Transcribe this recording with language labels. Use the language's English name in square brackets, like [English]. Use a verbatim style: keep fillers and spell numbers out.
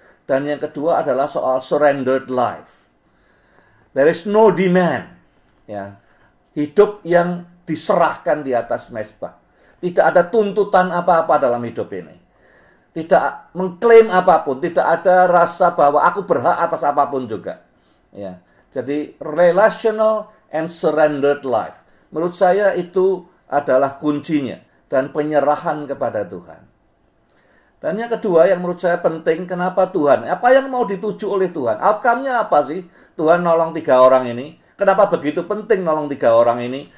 [Indonesian] Dan yang kedua adalah soal [English] surrendered life. There is no demand. [Indonesian] Ya. Hidup yang diserahkan di atas mezbah. Tidak ada tuntutan apa-apa dalam hidup ini. Tidak mengklaim apapun. Tidak ada rasa bahwa aku berhak atas apapun juga. Ya. [English] Jadi relational and surrendered life. [Indonesian] Menurut saya itu adalah kuncinya. Dan penyerahan kepada Tuhan. Dan yang kedua yang menurut saya penting, kenapa Tuhan? Apa yang mau dituju oleh Tuhan? Outcome-nya apa sih? Tuhan nolong tiga orang ini. Kenapa begitu penting nolong tiga orang ini?